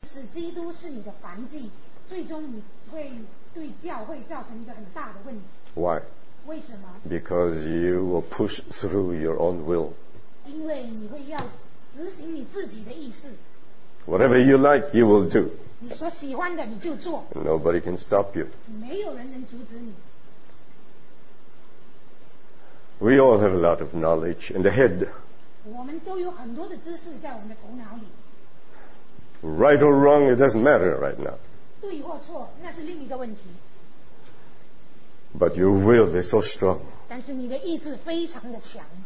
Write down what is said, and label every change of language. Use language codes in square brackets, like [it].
[zh] 使基督是你的燔祭，最终你会对教会造成一个很大的问题。 [en] Why? [zh] 为什么？ [en] Because you will push through your own will. [zh] 因为你会要执行你自己的意思。 [en] Whatever you like, you will do. [zh] 你所喜欢的你就做。 [en] Nobody can stop you. [zh] 没有人能阻止你。 [en] We all have a lot of knowledge in the head. [zh] 我们都有很多的知识在我们的头脑里。 [en] Right or wrong, it doesn't matter right now. [zh] 对或错，那是另一个问题。 [en] But your will is so strong. [zh] 但是你的意志非常的强。